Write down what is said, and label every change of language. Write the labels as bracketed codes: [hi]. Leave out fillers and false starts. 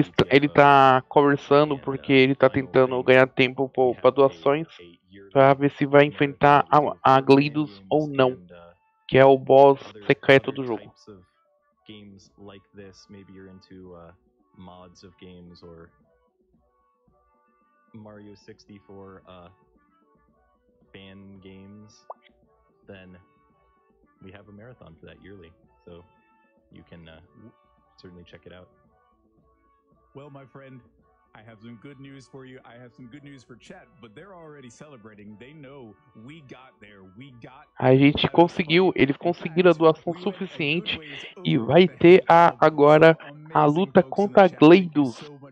[pt] Ele tá conversando porque ele tá tentando ganhar tempo pra doações. Pra ver se vai enfrentar a Gleidos ou não. Que é o boss secreto do jogo. [en] Games like this, maybe you're into mods of games or Mario 64 fan games, then we have a marathon for that yearly, so you can certainly check it out. Well, my friend, I have some good news for you. I have some good news for chat, but they're already celebrating. They know we got there. We got. [pt] A gente conseguiu. Eles conseguiram a doação suficiente e vai ter agora a luta contra a Gleidos.